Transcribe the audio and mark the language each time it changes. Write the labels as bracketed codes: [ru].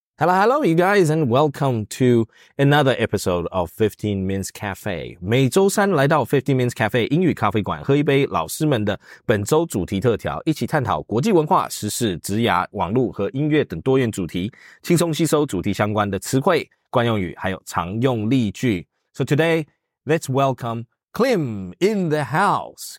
[en] Hello, hello, you guys, and welcome to another episode of 15 Minutes Cafe. [zh] 每周三来到15 Minutes Cafe 英语咖啡馆，喝一杯老师们的本周主题特调，一起探讨国际文化、时事、职涯、网络和音乐等多元主题，轻松吸收主题相关的词汇、惯用语，还有常用例句。 [en] So today, let's welcome Klim in the house.